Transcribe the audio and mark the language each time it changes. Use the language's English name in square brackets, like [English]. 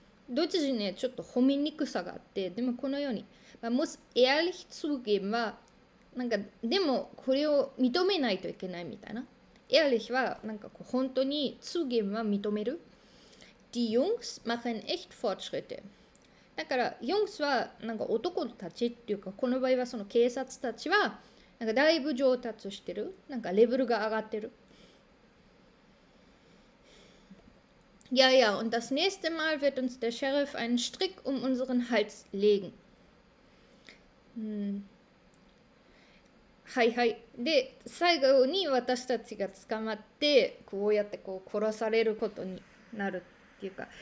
[Japanese] ドイツ人ね、ちょっと褒めにくさがあって、でもこのように、 [German] man muss ehrlich zugeben [Japanese] は、なんかでもこれを認めないといけないみたいな。 ehrlich は、なんかこう本当に zugeben は認める。 [German] die Jungs machen echt Fortschritte. [Japanese] だから、ヨンスはなんか男たちっていうか、この場合はその警察たちはなんかだいぶ上達してる。なんかレベルが上がってる。いやいや、 [German] und das nächste Mal wird uns der Sheriff einen Strick um unseren Hals legen。 [Japanese] はいはい。で、最後に私たちが捕まって、こうやってこう殺されることになるっていうか、